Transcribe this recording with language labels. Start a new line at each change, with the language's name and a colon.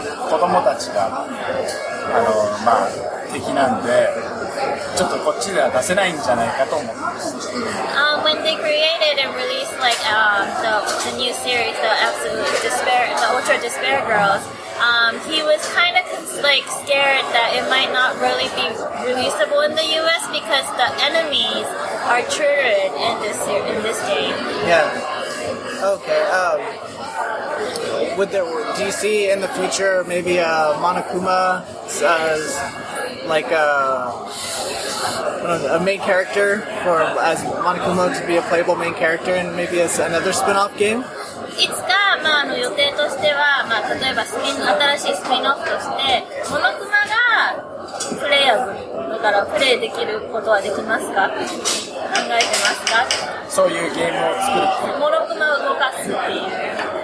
Japanese: 子供たちがあの、まあ、敵なんで、ちょっとこっちでは出せないんじゃないかと思ってます。
English: When they created and released like, the new series, the Absolute Despair, the Ultra Despair Girls, he was kind of like scared that it might not really be releasable in the U.S. because the enemies are children in this game. Yeah. Okay. Would there, do you see in the future maybe Monokuma as like a main character for as Monokuma to be a playable main character in maybe as another spin-off game? It's got.
Japanese: 予定としては、まあ、例えばスピン新しいスピンオフとしてモノクマがプレイヤーズだからプレイできることはできますか考えてますかそういうゲームを作るモノクマを動かすっていう